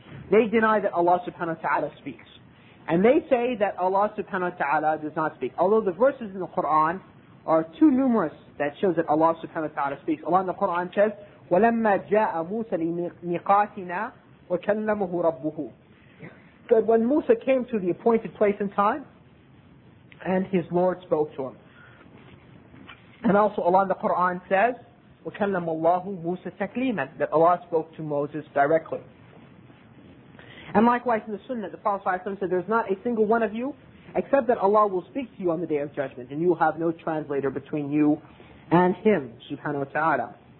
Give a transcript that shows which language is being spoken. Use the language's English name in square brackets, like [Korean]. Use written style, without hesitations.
[English] They deny that Allah subhanahu wa ta'ala speaks. And they say that Allah subhanahu wa ta'ala does not speak. Although the verses in the Quran are too numerous that shows that Allah subhanahu wa ta'ala speaks. Allah in the Quran says, [Arabic] وَلَمَّا جَاءَ مُوسَى لِمِقَاتِنَا وَكَلَّمُهُ رَبُّهُ. [English] But when Musa came to the appointed place and time, and his Lord spoke to him. And also Allah in the Quran says, [Arabic] وَكَلَّمَ اللَّهُ مُوسَى تَكْلِيمًا, [English] that Allah spoke to Moses directly. And likewise in the Sunnah, the Prophet ﷺ said, there's not a single one of you except that Allah will speak to you on the Day of Judgment, and you will have no translator between you and Him, subhanahu wa ta'ala.